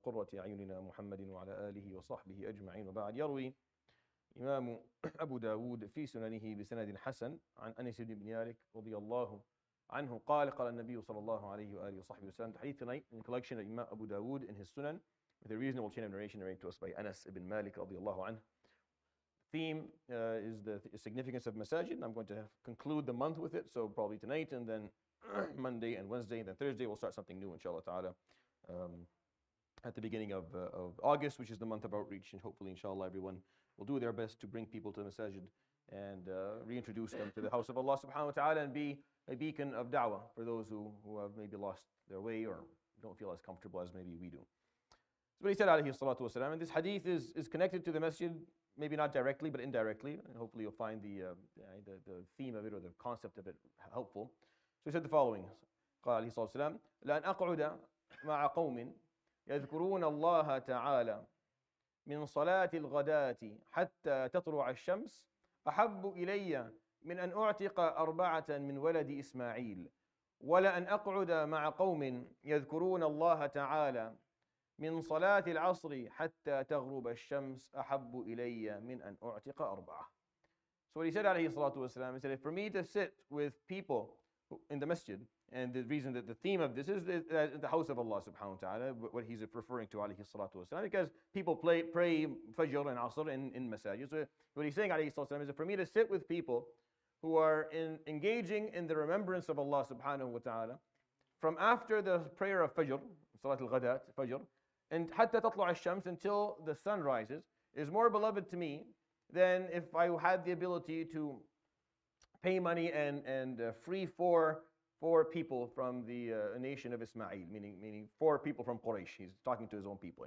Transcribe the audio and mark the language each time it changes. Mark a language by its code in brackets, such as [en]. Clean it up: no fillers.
[ar] قرة أعيننا محمد وعلى آله وصحبه أجمعين. وبعد، يروي إمام أبو داود في سننه بسند حسن عن أنس بن مالك رضي الله عنه قال: قال النبي صلى الله عليه وآله وصحبه وسلم. [en] حديث tonight in the collection of Imam Abu Dawood in his Sunan with a reasonable chain of narration narrated to us by Anas ibn Malik [ar] رضي الله عنه. [en] Theme is the significance of masajid, and I'm going to conclude the month with it. So probably tonight, and then Monday and Wednesday, and then Thursday, we'll start something new, inshallah ta'ala, at the beginning of August, which is the month of outreach. And hopefully, inshallah, everyone will do their best to bring people to masajid and reintroduce them to the house of Allah subhanahu wa ta'ala, and be a beacon of da'wah for those who have maybe lost their way or don't feel as comfortable as maybe we do. So what he said, alayhi salatu wasalam, and this hadith is connected to the masjid, maybe not directly, but indirectly. And hopefully you'll find the theme of it or the concept of it helpful. So he said the following. [ar] قال عليه الصلاة والسلام: لأن أقعد مع قوم يذكرون الله تعالى من صلاة الغداة حتى تطلع الشمس أحب إلي من أن أعتق أربعة من ولد إسماعيل، ولا أن أقعد مع قوم يذكرون الله تعالى من صلاة العصر حتى تغرب الشمس أحب إلي من أن أعتق أربعة. [en] So what he said [ar] عليه الصلاة والسلام, [en] he said, if for me to sit with people in the masjid, and the reason that the theme of this is the house of Allah subhanahu wa ta'ala, what he's referring to alayhi salatu wasalam, because people pray fajr and asr in masajid. So what he's saying alayhi salatu wasalam is that for me to sit with people who are engaging in the remembrance of Allah subhanahu wa ta'ala from after the prayer of fajr, salat al-ghadat, fajr, and [ar] hatta tatlu' al-shams, [en] until the sun rises, is more beloved to me than if I had the ability to pay money and free four people from the nation of Ismail, meaning four people from Quraysh. He's talking to his own people.